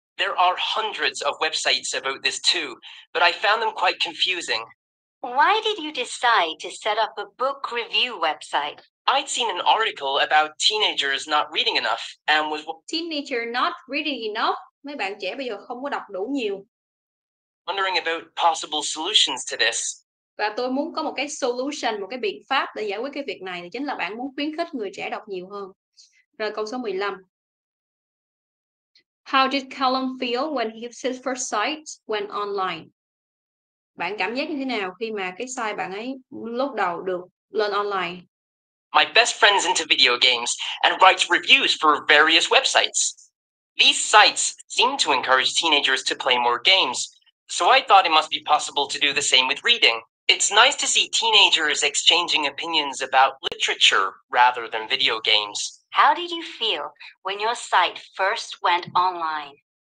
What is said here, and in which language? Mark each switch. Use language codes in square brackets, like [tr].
[en] There are hundreds of websites about this, too, but I found them quite confusing. Why did you decide to set up a book review website? I'd seen an article about teenagers not reading enough and was... Teenager not reading enough? [vi] Mấy bạn trẻ bây giờ không có đọc đủ nhiều. [en] Wondering about possible solutions to this. [vi] Và tôi muốn có một cái solution, một cái biện pháp để giải quyết cái việc này, chính là bạn muốn khuyến khích người trẻ đọc nhiều hơn. Rồi câu số 15. [en] How did Callum feel when his first site went online? [vi] Bạn cảm giác như thế nào khi mà cái site bạn ấy lúc đầu được lên online? [en] My best friend's into video games and writes reviews for various websites. These sites seem to encourage teenagers to play more games. So I thought it must be possible to do the same with reading. It's nice to see teenagers exchanging opinions about literature rather than video games. How did you feel when your site first went online?